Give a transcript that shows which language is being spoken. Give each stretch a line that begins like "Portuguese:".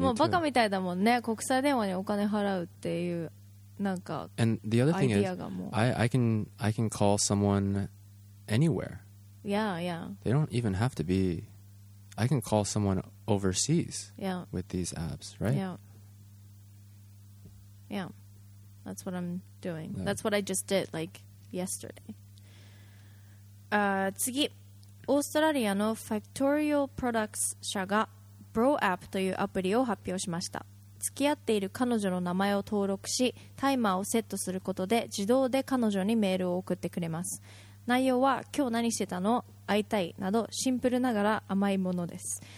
Japanese: too. もうバカみたいだもんね。国際電話にお金払うっていうなんか。
English: And the other thing is, I can call someone anywhere. Yeah, yeah. They don't even have to be. I can call someone overseas yeah. with these apps, right? Yeah. Yeah. That's what I'm doing. Yeah. That's what I just did, like, yesterday.
Japanese: 次、オーストラリアのファクトリオプロダクツ社が BroApp というアプリを発表しました。付き合っている彼女の名前を登録し、タイマーをセットすることで自動で彼女にメールを送ってくれます。内容は今日何してたの、会いたいなど、シンプルながら甘いものです。